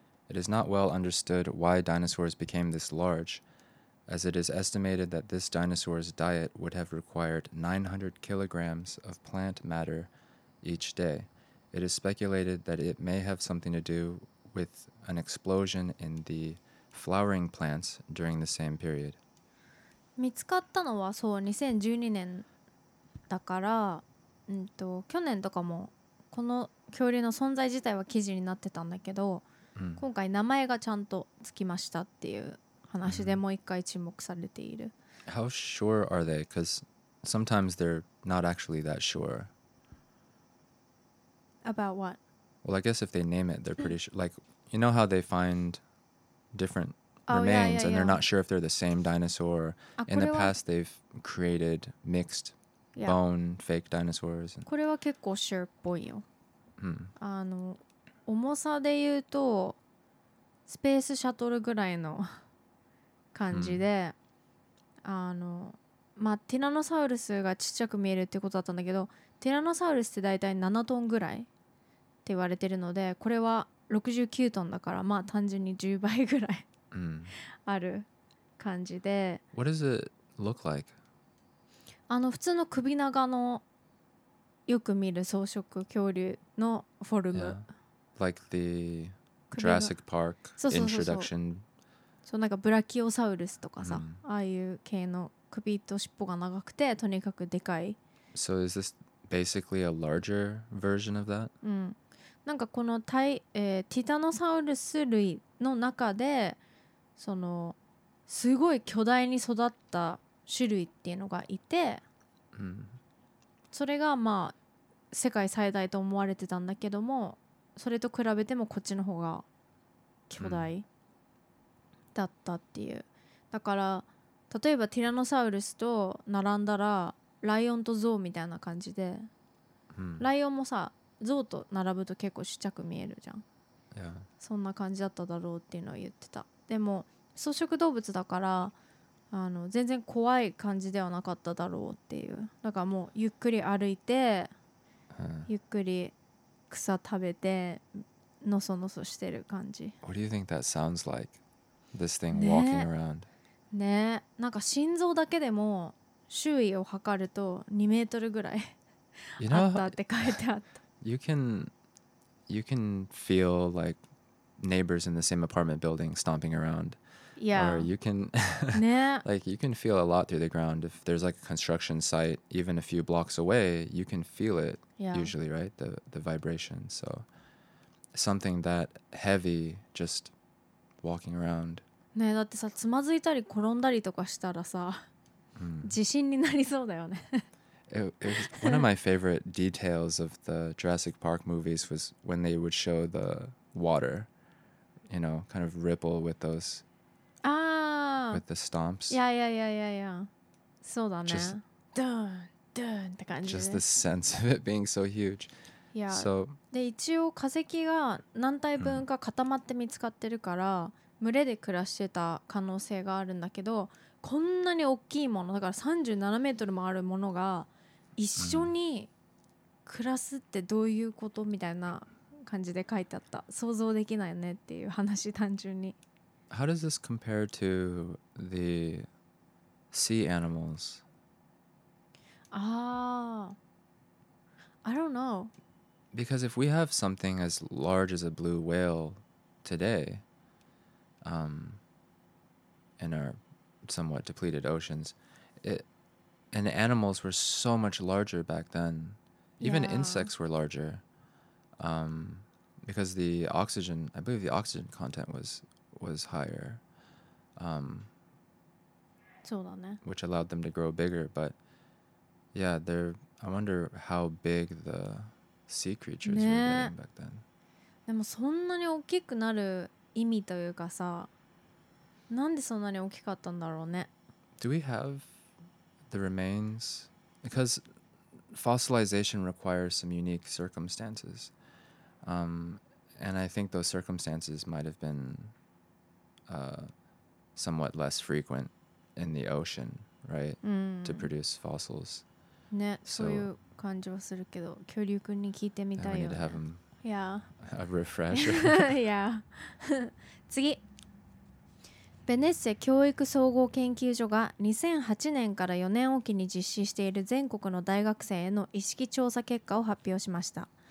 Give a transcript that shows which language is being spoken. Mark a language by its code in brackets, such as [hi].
[en] It is not well understood why dinosaurs became this large, as it is estimated that this dinosaur's diet would have required 900 kilograms of plant matter each day. It is speculated that it may have something to do with an explosion in theflowering plants during the same period. [ja] 見つかったのはそう2012年だから、去年とかもこの恐竜の存在自体は記事になってたんだけど、今回名前がちゃんとつきましたっていう話でもう一回注目されている。 [en] How sure are they? Because sometimes they're not actually that sure. About what? Well, I guess if they name it, they're pretty sure. Like, you know how they findDifferent remains, and they're not sure if they're the same dinosaur. In the past, they've created mixed bone fake dinosaurs. [ja] これは結構 sure っぽいよ。あの、重さで言うとスペースシャトルぐらいの感じで、あの、まあティラノサウルスがちっちゃく見えるってことだったんだけど、ティラノサウルスってだいたい7トンぐらいって言われてるので、これは69トンだから、まあ単純に10倍ぐらい、ある感じで。 [en] What does it look like? [ja] あの、普通の首長のよく見る草食恐竜のフォルム。 [en] Like the Jurassic Park introduction. [ja] そう、なんかブラキオサウルスとかさ、ああいう系の首と尻尾が長くてとにかくでかい。 [en] So is this basically a larger version of that? [ja] なんかこのティタノサウルス類の中で、そのすごい巨大に育った種類っていうのがいて、それがまあ世界最大と思われてたんだけども、それと比べてもこっちの方が巨大だったっていう。だから例えばティラノサウルスと並んだらライオンとゾウみたいな感じで、ライオンもさ、ゾウと並ぶと結構ちっちゃく見えるじゃん。そんな感じだっただろうっていうのを言ってた。でも草食動物だから、あの、全然怖い感じではなかっただろうっていう。だからもうゆっくり歩いて、ゆっくり草食べてのそのそしてる感じ。 [en] What do you think that sounds like? This thing walking around? [ja] ね、なんか心臓だけでも周囲を測ると2メートルぐらいあったって書いてあった。 [en] You can feel like neighbors in the same apartment building stomping around. Yeah. Or you can, like, you can feel a lot through the ground. If there's like a construction site even a few blocks away, you can feel it, usually, right? The vibration. So something that heavy just walking around. [ja] ね、だってさ、つまずいたり転んだりとかしたらさ、地震になりそうだよね。 [en] It was one of my favorite details of the Jurassic Park movies was when they would show the water, you know, kind of ripple with those, with the stomps. [ja] Yeah. そうだね。Just, ドーン、ドーンって感じで。 [en] Just the sense of it being so huge. Yeah. [ja] So, で、一応化石が何体分か固まって見つかってるから、群れで暮らしてた可能性があるんだけど、こんなに大きいもの、だから37メートルもあるものが一緒に暮らすってどういうこと、mm. みたいな感じで書いてあった。想像できないよねっていう話、単純に。 [en] How does this compare to the sea animals? I don't know. Because if we have something as large as a blue whale today, in our somewhat depleted oceans, and animals were so much larger back then. Even yeah. insects were larger. Because the oxygen, I believe the oxygen content was higher. [ja] そうだね。 [en] Which allowed them to grow bigger. But yeah, they're, I wonder how big the sea creatures、ね、were getting back then. [ja] でもそんなに大きくなる意味というかさ、なんでそんなに大きかったんだろうね。 [en] Do we have the remains? Because fossilization requires some unique circumstances. And I think those circumstances might have been somewhat less frequent in the ocean, right? To produce fossils. [ja] ね、そういう感じはするけど、恐竜くんに聞いてみたいよ。 [en] We need to have them a refresher. [ja] Yeah. 次。ベネッセ教育総合研究所が2008年から4年おきに実施している全国の大学生への意識調査結果を発表しました。